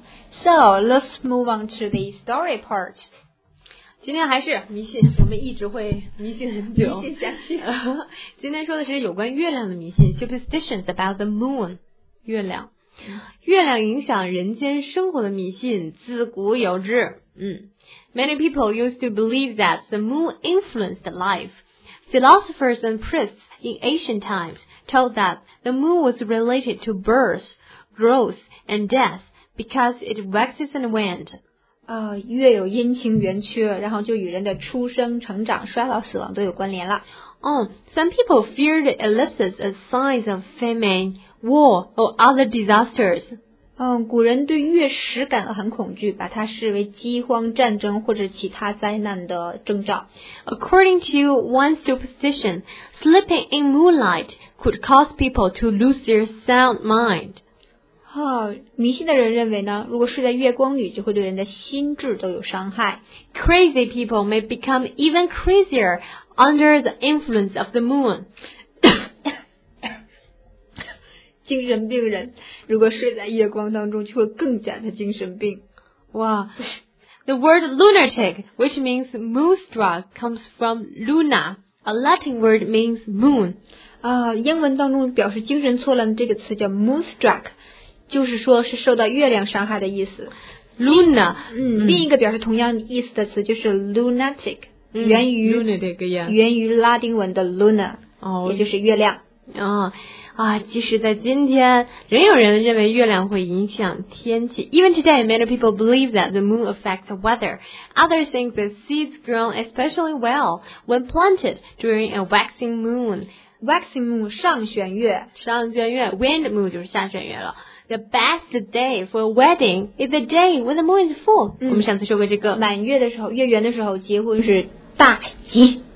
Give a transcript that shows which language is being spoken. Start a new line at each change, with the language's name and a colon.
English: So let's move on to the story part.
Chinese: 今天还是迷信，我们一直会迷信很久，迷信下去。今天说的是有关月亮的迷信 ，
English: superstitions about the moon，
Chinese: 月亮。月亮影响人间生活的迷信自古有之。
English: Many people used to believe that the moon influenced life. Philosophers and priests in ancient times told that the moon was related to birth, growth, and death because it waxes and waned.
Chinese: 月有阴晴圆缺，然后就与人的出生、成长、衰老、死亡都有关联了。
English: Some people feared it elicits a sign of famine. War or other disasters.
Chinese: 古人对月食感到很恐惧，把它视为饥荒、战争或者其他灾难的征兆。
English: According to one superstition, sleeping in moonlight could cause people to lose their sound mind.
Chinese: 迷信的人认为呢，如果睡在月光里，就会对人的心智都有伤害。
English: Crazy people may become even crazier under the influence of the moon.
Chinese: 精神病人如果睡在月光当中就会更加的精神病。
English: The word lunatic, which means moonstruck, comes from luna, a Latin word means moon.
Chinese: 英文当中表示精神错乱的这个词叫 moonstruck, 就是说是受到月亮伤害的意思。
Latin: Luna,
Chinese: 另一个表示同样意思的词就是 lunatic, 源于拉丁文的 luna,也就是月亮。即使在今天，仍有人认为月亮会影响天气。
English: Even today, many people believe that the moon affects the weather. Others think that seeds grown especially well when planted during a waxing moon. Waxing moon,
Chinese: 上弦月。上弦月 ,
English: wind moon
Chinese: 就是下弦月了。
English: The best day for a wedding is the day when the moon is full.
Chinese: 我们上次说过这个。满月的时候，月圆的时候，结婚是大吉。